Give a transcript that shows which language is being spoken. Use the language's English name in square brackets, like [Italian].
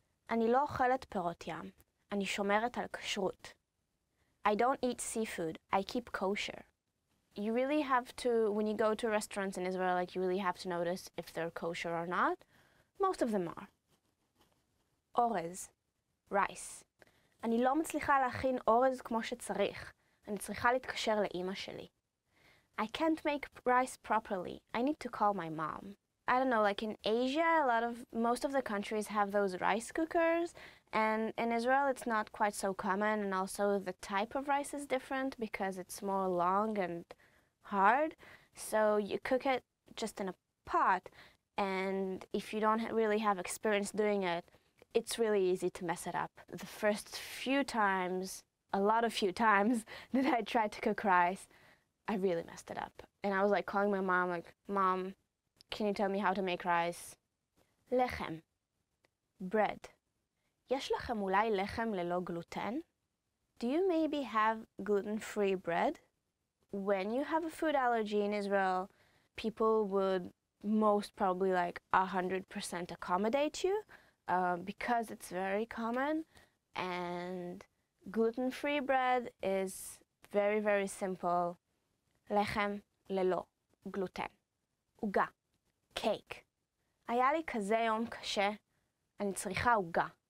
[Hebrew] אני לא אוכלת פירות ים. אני שומרת על כשרות. [English] I don't eat seafood. I keep kosher. You really have to, when you go to restaurants in Israel, like you really have to notice if they're kosher or not. Most of them are. Orez, rice. [Hebrew] אני לא מצליחה להכין אורז כמו שצריך. אני צריכה להתקשר לאימא שלי. [English] I can't make rice properly. I need to call my mom. I don't know, like in Asia, most of the countries have those rice cookers, and in Israel it's not quite so common, and also the type of rice is different because it's more long and hard. So you cook it just in a pot, and if you don't really have experience doing it, it's really easy to mess it up. The first few times, a few times that I tried to cook rice, I really messed it up. And I was like calling my mom, like, Mom, can you tell me how to make rice? Lechem. Bread. [Hebrew] יש לכם אולי לחם ללא גלוטן? [English] Do you maybe have gluten-free bread? When you have a food allergy in Israel, people would most probably like 100% accommodate you because it's very common, and gluten-free bread is very, very simple. [Hebrew] לחם ללא גלוטן. עוגה. Cake. היה לי כזה יום קשה, אני צריכה עוגה.